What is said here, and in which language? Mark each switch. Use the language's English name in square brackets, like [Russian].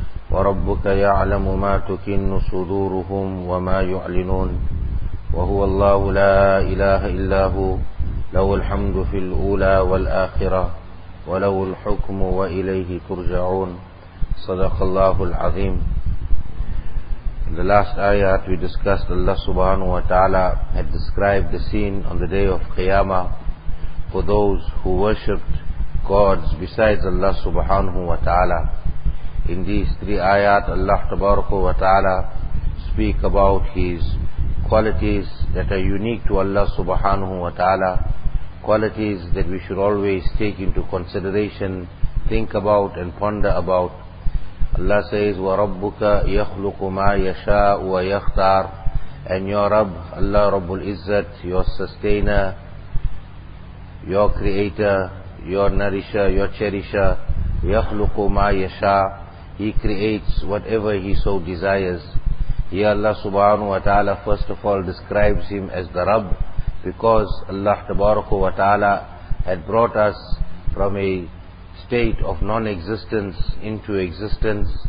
[Arabic] وربك يعلم ما تكن صدورهم وما يعلنون. وهو الله لا إله إلا هو له الحمد في الأولى والآخرة وله الحكم وإليه ترجعون. صدق الله العظيم. [English] In the last ayat we discussed Allah subhanahu wa ta'ala had described the scene on the day of Qiyamah for those who worshipped gods besides Allah subhanahu wa ta'ala. In these three ayat, Allah tabaraka wa ta'ala speak about His qualities that are unique to Allah subhanahu wa ta'ala, qualities that we should always take into consideration, think about and ponder about. Allah says, [Arabic] وَرَبُّكَ يَخْلُقُ مَا يَشَاءُ وَيَخْتَارُ. [English] And your Rabb, Allah Rabbul Izzat, your sustainer, your creator, your nourisher, your cherisher, [Arabic] يَخْلُقُ مَا يَشَاءُ. [English] He creates whatever He so desires. Here Allah subhanahu wa ta'ala first of all describes Him as the Rabb, because Allah tabaraka wa ta'ala had brought us from a state of non-existence into existence.